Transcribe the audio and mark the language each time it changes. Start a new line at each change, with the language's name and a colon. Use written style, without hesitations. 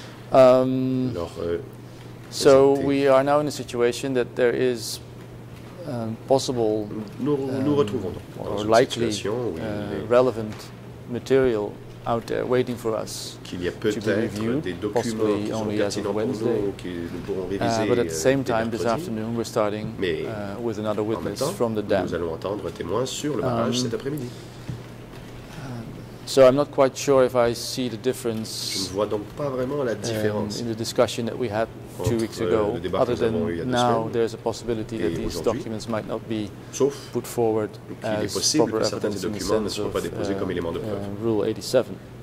English: So we are now in a situation that there is possible or likely relevant material out there waiting for us
French: qu'il y a peut-être
English: to be reviewed, possibly only as of Wednesday. But at the same time, this afternoon, we're starting with another witness from the dam.
French: Nous allons entendre un témoin sur le barrage cet après-midi.
English: So I'm not quite sure if I see the difference in the discussion that we had 2 weeks ago, other than now there's a possibility that these documents might not be put forward as proper evidence in the sense of Rule 87.